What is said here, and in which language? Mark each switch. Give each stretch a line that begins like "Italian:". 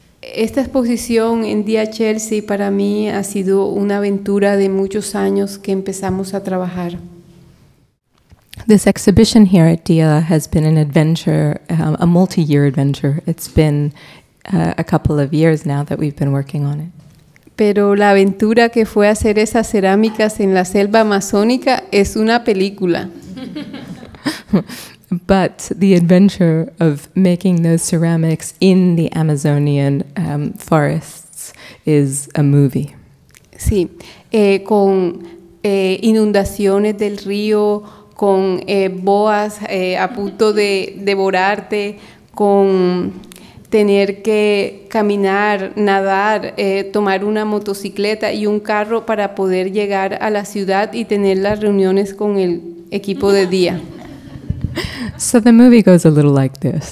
Spanish: Esta exposición en Dia Chelsea para mí ha sido una aventura de muchos años que empezamos a trabajar.
English: This exhibition here at Dia has been an adventure, a multi-year adventure. It's been a couple of years now that we've been working on it.
Spanish: Pero la aventura que fue hacer esas cerámicas en la selva amazónica es una película.
English: But the adventure of making those ceramics in the Amazonian forests is a movie.
Spanish: Sí, con inundaciones del río, con boas a punto de devorarte, con tener que caminar, nadar, tomar una motocicleta y un carro para poder llegar a la ciudad y tener las reuniones con el equipo de Dia.
English: So the movie goes a little like this.